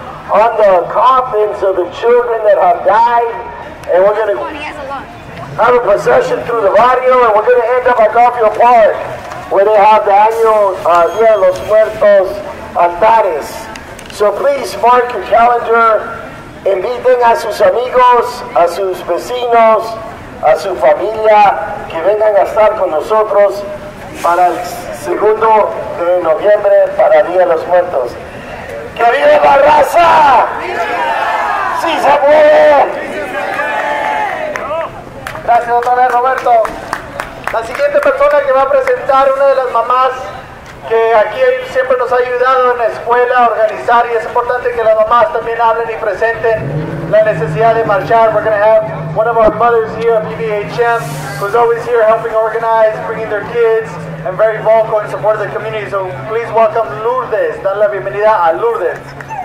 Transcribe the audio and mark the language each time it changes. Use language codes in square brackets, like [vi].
[en] on the coffins of the children that have died, and we're going to have a procession through the barrio, and we're going to end up at Garfield Park, where they have the annual Dia de los Muertos altares. So please mark your calendar. [es] Inviten a sus amigos, a sus vecinos, a su familia, que vengan a estar con nosotros para el segundo de noviembre, para Día de los Muertos. ¡Que viva la raza! ¡Viva! ¡Sí se puede! Gracias, doctor Roberto. La siguiente persona que va a presentar, una de las mamás que aquí siempre nos ha ayudado en la escuela a organizar, y es importante que las mamás también hablen y presenten la necesidad de marchar. [en] We're going to have one of our mothers here at BBHM, who's always here helping organize, bringing their kids, and very vocal in support of the community. So please welcome Lourdes. [es] Dale la bienvenida a Lourdes.